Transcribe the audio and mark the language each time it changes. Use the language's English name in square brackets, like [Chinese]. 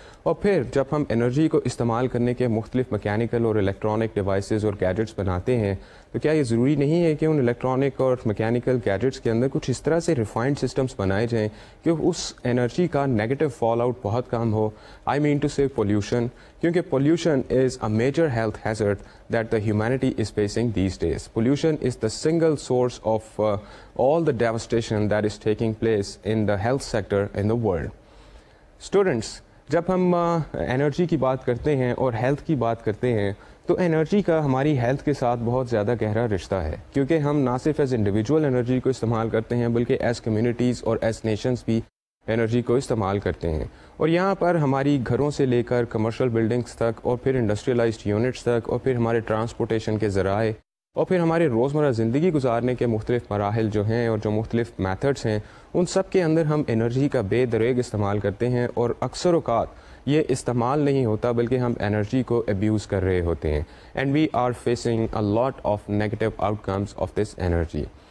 [Urdu] اور پھر جب ہم انرجی کو استعمال کرنے کے مختلف مکینیکل اور الیکٹرانک ڈیوائسز اور گیجٹس بناتے ہیں تو کیا یہ ضروری نہیں ہے کہ ان الیکٹرانک اور مکینیکل گیجٹس کے اندر کچھ اس طرح سے ریفائنڈ سسٹمز بنائے جائیں کہ اس انرجی کا نیگیٹو فال آؤٹ بہت کم ہو؟ [English] I mean to say pollution, کیونکہ pollution is a major health hazard that the humanity is facing these days. Pollution is the single source of all the devastation that is taking place in the health sector in the world. [Urdu] Students, جب ہم energy کی بات کرتے ہیں اور health کی بات کرتے ہیں تو انرجی کا ہماری ہیلتھ کے ساتھ بہت زیادہ گہرا رشتہ ہے, کیونکہ ہم نہ صرف ایز انڈیویجول انرجی کو استعمال کرتے ہیں بلکہ ایز کمیونٹیز اور ایز نیشنز بھی انرجی کو استعمال کرتے ہیں, اور یہاں پر ہماری گھروں سے لے کر کمرشل بلڈنگز تک, اور پھر انڈسٹریلائزڈ یونٹس تک, اور پھر ہمارے ٹرانسپورٹیشن کے ذرائع, اور پھر ہمارے روزمرہ زندگی گزارنے کے مختلف مراحل جو ہیں اور جو مختلف میتھڈس ہیں, ان سب کے اندر ہم انرجی کا بے دریغ استعمال کرتے ہیں, اور اکثر اوقات یہ استعمال نہیں ہوتا بلکہ ہم انرجی کو ابیوز کر رہے ہوتے ہیں, [English] And we are facing a lot of negative outcomes of this energy.